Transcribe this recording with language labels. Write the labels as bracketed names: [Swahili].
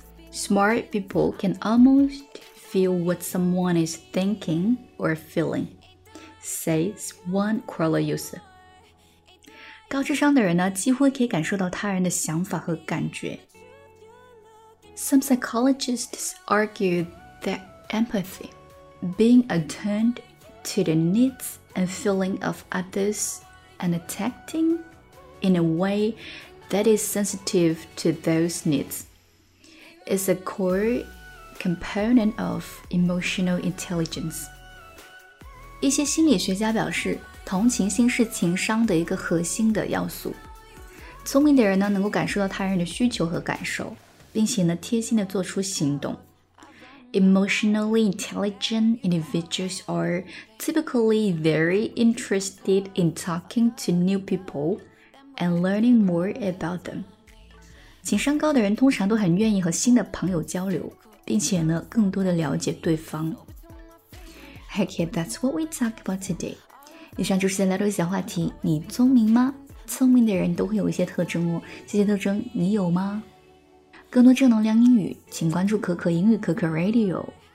[English] Smart people can almostfeel what someone is thinking or feeling, says one Kuala user. [Chinese] 高智商的人呢，几乎可以感受到他人的想法和感觉。 [English] Some psychologists argue that empathy, being attuned to the needs and feeling of others and acting in a way that is sensitive to those needs, is a core component of emotional intelligence. [Chinese] 一些心理学家表示，同情心是情商的一个核心的要素。聪明的人呢，能够感受到他人的需求和感受，并且呢，贴心地做出行动。 [English] Emotionally intelligent individuals are typically very interested in talking to new people and learning more about them. [Chinese] 情商高的人通常都很愿意和新的朋友交流。并且呢，更多的了解对方。 [English] Okay, that's what we talk about today. [Chinese] 以上就是今天的小话题。你聪明吗？聪明的人都会有一些特征哦。这些特征你有吗？更多正能量英语，请关注可可英语可可 Radio。